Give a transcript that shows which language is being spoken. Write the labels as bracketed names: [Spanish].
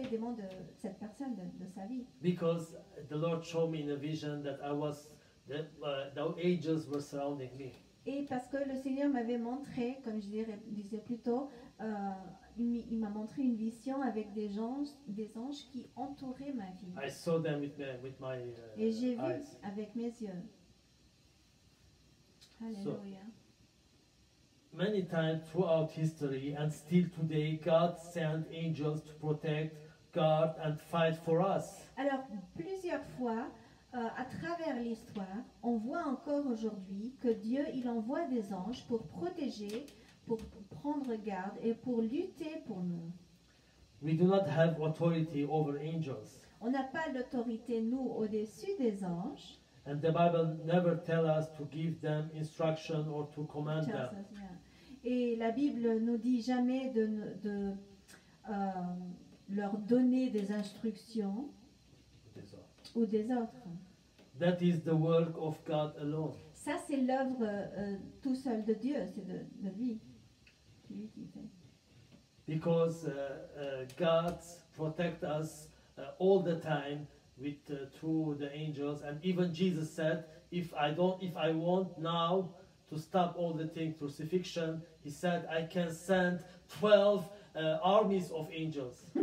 [French] les démons de cette personne de sa vie. [English] Because the Lord showed me in a vision that I was that the angels were surrounding me. [French] Et parce que le Seigneur m'avait montré, comme je disais plus tôt, il m'a montré une vision avec des anges qui entouraient ma vie. [English] I saw them with my [French] Et j'ai vu [English] eyes. [French] Avec mes yeux. Alléluia. [English] So, many times throughout history and still today, God sent angels to protect, guard and fight for us. [French] Alors, plusieurs fois, à travers l'histoire, on voit encore aujourd'hui que Dieu, il envoie des anges pour protéger, pour prendre garde et pour lutter pour nous. [English] We do not have authority over angels. [French] On n'a pas l'autorité, nous, au-dessus des anges. [English] And the Bible never tells us to give them instruction or to command them. Yeah. [French] Et la Bible nous dit jamais de leur donner des instructions. Ou des autres. [English] That is the work of God alone. [French] Ça, c'est l'œuvre tout seul de Dieu, c'est de lui. [English] Because God protects us all the time with through the angels, and even Jesus said, if I want now to stop all the things, crucifixion, he said, I can send 12 armies of angels.